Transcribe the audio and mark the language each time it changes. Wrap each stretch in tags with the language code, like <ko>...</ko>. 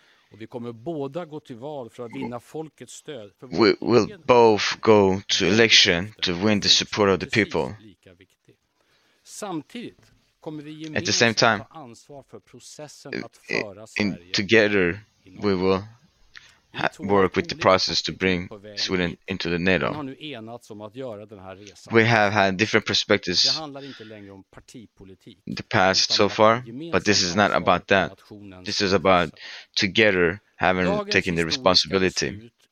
<sv>Och vi kommer båda gå till val för att vinna folkets stöd.</sv> <en>We will both go to election to win the support of the people.</en> <sv>Samtidigt kommer vi gemensamt ta ansvar för processen att föra Sverige.</sv> <en>Together we will work with the process to bring Sweden into the NATO.</en> <sv>Vi har nu enats om att göra den här resan.</sv> <en>We have had different perspectives.</en> <sv>Det handlar inte längre om partipolitik.</sv> <en>The past so far, but this is not about that. This is about together having taken the responsibility.</en>